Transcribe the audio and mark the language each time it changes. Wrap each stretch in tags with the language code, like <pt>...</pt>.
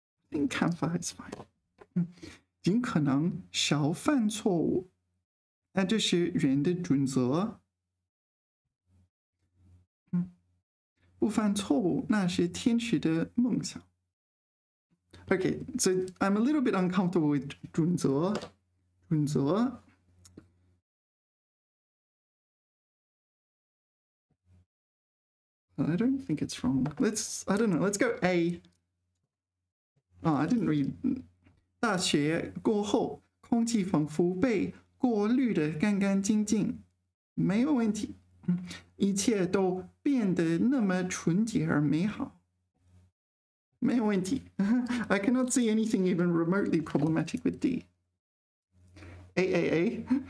<en>I think 看法 is fine.</en> <zh>尽可能少犯错误，那这是人的准则。不犯错误，那是天使的梦想。</zh> <en>Okay, so I'm a little bit uncomfortable with 准则。</en> <zh>准则。</zh> <en>I don't think it's wrong. I don't know. Let's go A. Oh, I didn't read.</en> <zh>大学过后，空气仿佛被过滤得干干净净。没有问题。一切都变得那么纯洁而美好。没有问题。</zh> <en>I cannot see anything even remotely problematic with D. A, A, A.</en>